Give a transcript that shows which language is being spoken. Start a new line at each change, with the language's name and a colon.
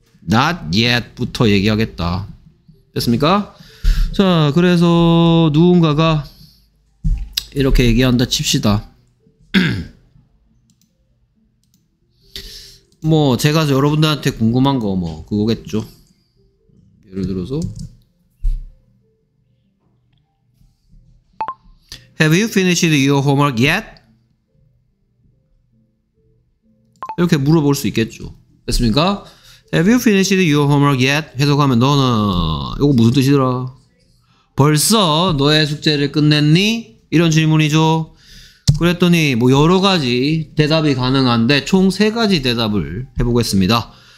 English: not yet
Korean: 부터 얘기하겠다. 됐습니까? 자, 그래서 누군가가 이렇게 얘기한다 칩시다. 뭐 제가 여러분들한테 궁금한 거 뭐 그거겠죠. 예를 들어서
English: Have you finished your homework yet?
Korean: 이렇게 물어볼 수 있겠죠. 됐습니까?
English: Have you finished your homework yet?
Korean: 해석하면 너는 이거 무슨 뜻이더라? 벌써 너의 숙제를 끝냈니? 이런 질문이죠. 그랬더니 뭐 여러 가지 대답이 가능한데 총 세 가지 대답을 해보겠습니다.